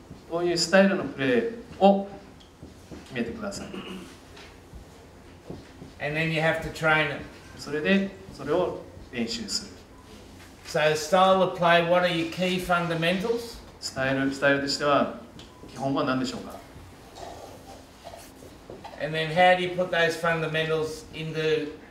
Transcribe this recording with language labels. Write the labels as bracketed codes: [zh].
[ja] どういうスタイルのプレーを決めてください。 [en] And then you have to train it. [ja] それでそれを練習する。 [en] So the style of play, what are your key fundamentals? [ja] スタイルとしては基本は何でしょうか? [en] And then how do you put those fundamentals into